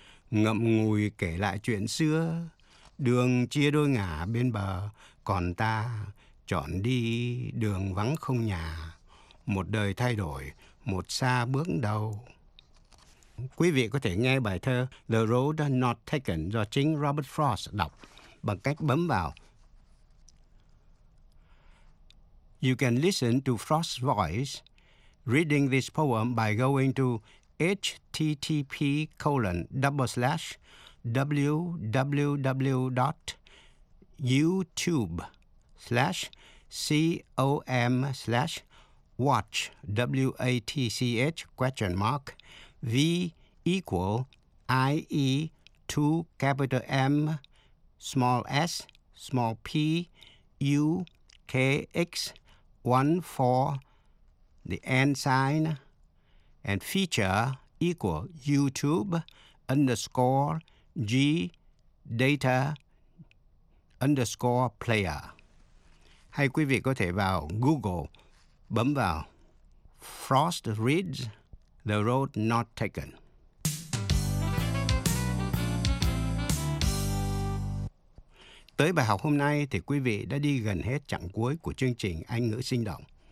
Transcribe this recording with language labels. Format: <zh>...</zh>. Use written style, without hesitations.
<vi>Ngậm ngùi kể lại chuyện xưa, đường chia đôi ngả bên bờ, còn ta chọn đi đường vắng không nhà. Một đời thay đổi, một xa bước đầu. Quý vị có thể nghe bài thơ The Road Not Taken do chính Robert Frost đọc bằng cách bấm vào.</vi> <en>You can listen to Frost's voice reading this poem by going to http://www.youtube/com/watch=VIEMSMPUKX14 the and sign and feature equal YouTube_G_data_player.</en> <vi>Hay quý vị có thể vào Google bấm vào Frost Reads The Road Not Taken. Tới bài học hôm nay thì quý vị đã đi gần hết chặng cuối của chương trình Anh ngữ sinh động.</vi>